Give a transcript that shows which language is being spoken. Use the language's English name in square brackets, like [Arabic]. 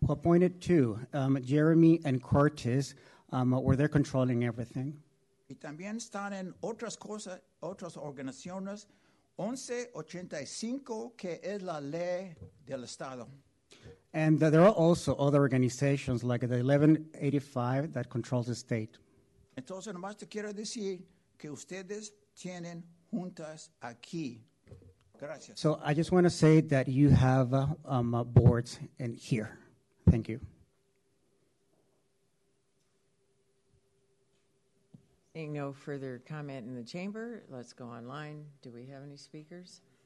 [English] Who appointed two, Jeremy and Curtis, were there controlling everything. [Spanish] Y también están en otras cosas, otras organizaciones, 1185, que es la ley del Estado. [English] And there are also other organizations like the 1185 that controls the state. [Spanish] Entonces, nomás te quiero decir que ustedes tienen juntas aquí. Gracias. [English] So I just want to say that you have boards in here. Thank you. Seeing no further comment in the chamber, let's go online. Do we have any speakers?